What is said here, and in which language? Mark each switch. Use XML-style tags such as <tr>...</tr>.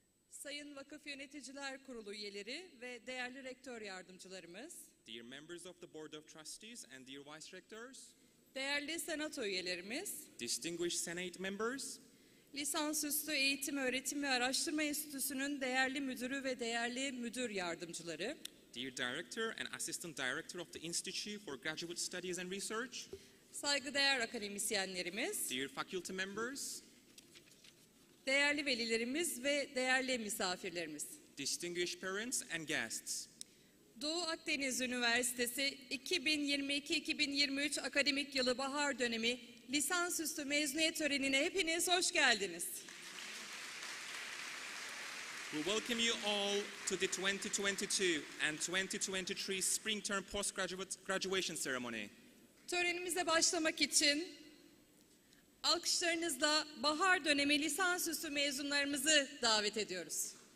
<tr>Sayın Vakıf Yöneticiler Kurulu üyeleri ve değerli rektör yardımcılarımız,</tr> <en>Dear members of the Board of Trustees and dear vice rectors,</en> <tr>değerli senato üyelerimiz,</tr> <en>distinguished senate members,</en> <tr>lisansüstü eğitim, öğretim ve araştırma enstitüsünün değerli müdürü ve değerli müdür yardımcıları,</tr> <en>dear director and assistant director of the Institute for Graduate Studies and Research,</en> <tr>saygıdeğer akademisyenlerimiz,</tr> <en>dear faculty members,</en> <tr>değerli velilerimiz ve değerli misafirlerimiz,</tr> <en>distinguished parents and guests,</en> <tr>Doğu Akdeniz Üniversitesi 2022-2023 akademik yılı bahar dönemi lisansüstü mezuniyet törenine hepiniz hoş geldiniz.</tr> <en>We welcome you all to the 2022 and 2023 spring term postgraduate graduation ceremony.</en> <tr>Törenimize başlamak için alkışlarınızla bahar dönemi lisansüstü mezunlarımızı davet ediyoruz.</tr>